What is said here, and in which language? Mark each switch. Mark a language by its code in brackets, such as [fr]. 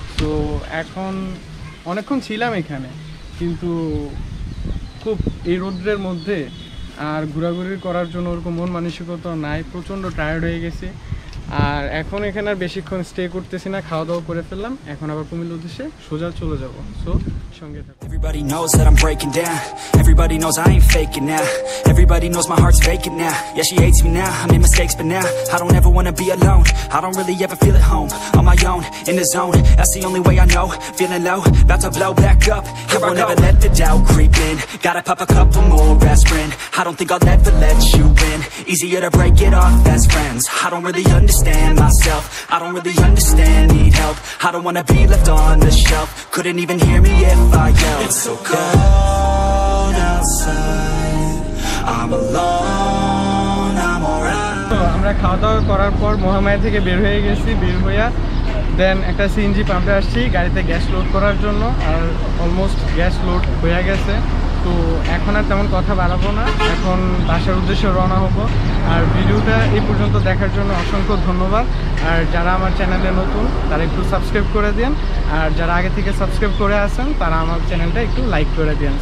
[bn] তো এখন অনেকক্ষণ ছিলাম এখানে, কিন্তু খুব এই রোদ্রের মধ্যে আর ঘোরাঘুরি করার জন্য ওরকম মন মানসিকতাও নাই, প্রচণ্ড টায়ার্ড হয়ে গেছি, আর এখন এখানে আর বেশিক্ষণ স্টে করতেছি না, খাওয়া দাওয়া করে ফেললাম, এখন আবার কুমিল্লার উদ্দেশ্যে সোজা চলে যাব। সো সঙ্গে থাকুন। [en] Everybody knows that I'm breaking down, everybody knows I ain't faking now, everybody knows my heart's faking now, yeah she hates me now, I made mistakes but now, I don't ever wanna be alone, I don't really ever feel at home, on my own, in the zone, that's the only way I know, feeling low, about to blow back up, here I won't ever let the doubt creep in, gotta pop a couple more aspirin, I don't think I'll ever let you win, easier to break it off as friends, I don't really understand myself, I don't really understand, need help, I don't wanna be left on the shelf, couldn't even hear me if I yelled. It's so cold outside, I'm alone, I'm alright. [bn] So, আমরা খাওয়া দাওয়া করার পর মহামায়া থেকে বের হয়ে গেছি, বের হইয়া দেন একটা সিএনজি পাম্পে আসছি গাড়িতে গ্যাস লোড করার জন্য, আর অলমোস্ট গ্যাস লোড হয়ে গেছে, তো এখন আর তেমন কথা বাড়াবো না, এখন বাসার উদ্দেশ্যে রওনা হব। আর ভিডিওটা এই পর্যন্ত দেখার জন্য অসংখ্য ধন্যবাদ, আর যারা আমার চ্যানেলে নতুন তারা একটু সাবস্ক্রাইব করে দিন, আর যারা আগে থেকে সাবস্ক্রাইব করে আসেন তারা আমার চ্যানেলটা একটু লাইক করে দিন।